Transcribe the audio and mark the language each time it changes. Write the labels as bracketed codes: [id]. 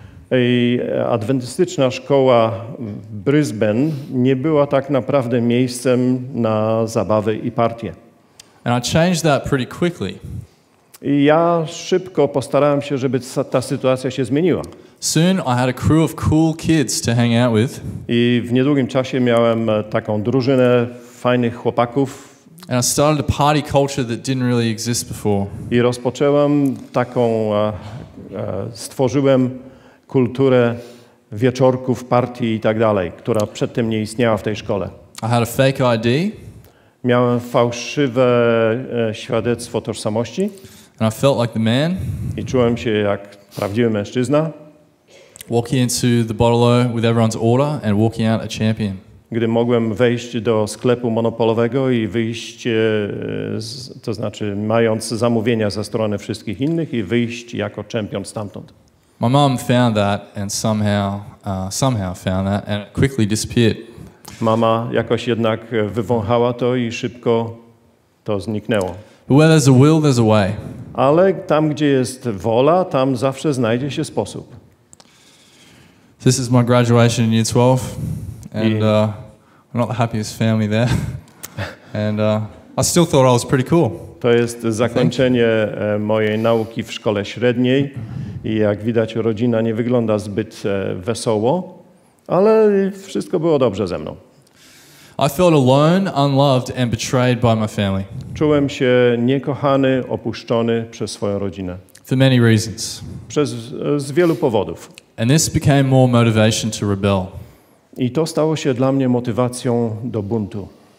[pl] I adwentystyczna szkoła w Brisbane nie była tak naprawdę miejscem na zabawy i partie. [en] And I changed that pretty quickly. [pl] I ja szybko postarałem się, żeby ta sytuacja się zmieniła. [en] Soon I had a crew of cool kids to hang out with. [pl] I w niedługim czasie miałem taką drużynę fajnych chłopaków. [en] And I started a party culture that didn't really exist before. [pl] I rozpocząłem taką, stworzyłem kulturę wieczorków, partii i tak dalej, która przedtem nie istniała w tej szkole. [en] I had a fake ID. [pl] Miałem fałszywe świadectwo tożsamości. [en] And I felt like the man. [pl] I czułem się jak prawdziwy mężczyzna. [en] Walking into the Bottle-O with everyone's order and walking out a champion. [pl] Gdy mogłem wejść do sklepu monopolowego i wyjść, to znaczy mając zamówienia ze strony wszystkich innych i wyjść jako champion stamtąd. [en] My mom found that and somehow found that and it quickly disappeared. [pl] Mama jakoś jednak wywąchała to i szybko to zniknęło. [en] Where there's a will, there's a way. [pl] Ale tam, gdzie jest wola, tam zawsze znajdzie się sposób. [en] This is my graduation in year 12. And I'm not the happiest family there. And I still thought I was pretty cool. [pl] To jest zakończenie mojej nauki w szkole średniej. I jak widać, rodzina nie wygląda zbyt wesoło, ale wszystko było dobrze ze mną. [en] I felt alone, unloved and betrayed by my family. [pl] Czułem się niekochany, opuszczony przez swoją rodzinę. [en] For many reasons. [pl] Z wielu powodów. [en] And this became more motivation to rebel. [pl] I to stało się dla mnie motywacją do buntu.